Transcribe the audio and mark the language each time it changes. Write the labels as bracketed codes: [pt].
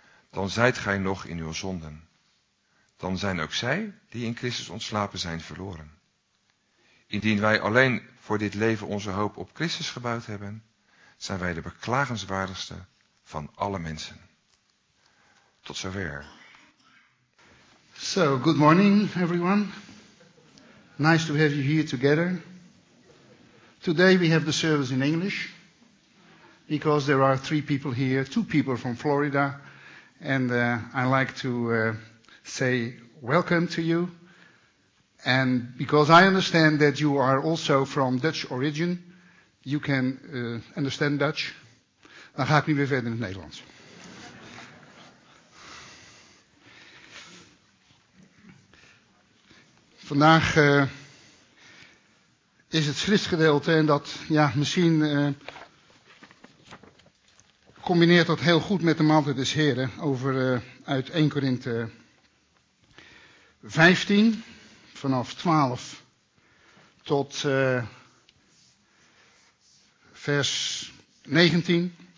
[nl] Dan zijt gij nog in uw zonden. Dan zijn ook zij, die in Christus ontslapen zijn, verloren. Indien wij alleen voor dit leven onze hoop op Christus gebouwd hebben, zijn wij de beklagenswaardigste van alle mensen. Tot zover. [en] So, good morning, everyone. Nice to have you here together. Today we have the service in English, because there are three people here, two people from Florida, and I like to say welcome to you. And because I understand that you are also from Dutch origin, you can understand Dutch. [nl] Dan ga ik nu weer verder in het Nederlands. Vandaag is het schriftgedeelte en dat, ja, misschien combineert dat heel goed met de maaltijd des Heren over uit 1 Korinthe 15 vanaf 12 tot vers 19.